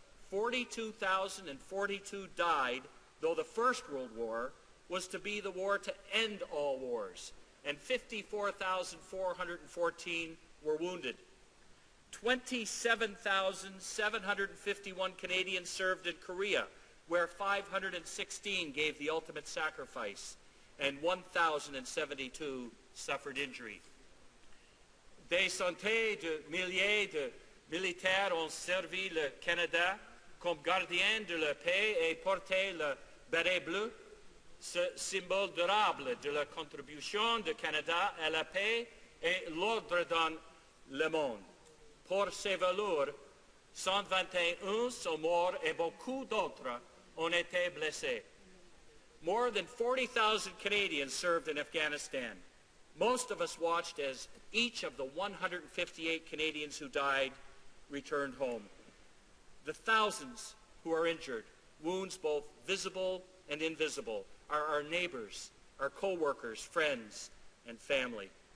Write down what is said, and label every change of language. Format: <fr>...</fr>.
<en>42,042 died, though the First World War was to be the war to end all wars, and 54,414 were wounded. 27,751 Canadians served in Korea, where 516 gave the ultimate sacrifice, and 1,072 suffered injury.</en> <fr>Des centaines de milliers de militaires ont servi le Canada comme gardiens de la paix et porté le béret bleu, ce symbole durable de la contribution du Canada à la paix et l'ordre dans le monde. Pour ces valeurs, 121 sont morts et beaucoup d'autres ont été blessés.</fr> <en>More than 40,000 Canadians served in Afghanistan. Most of us watched as each of the 158 Canadians who died returned home. The thousands who are injured, wounds both visible and invisible, are our neighbors, our co-workers, friends, and family.</en>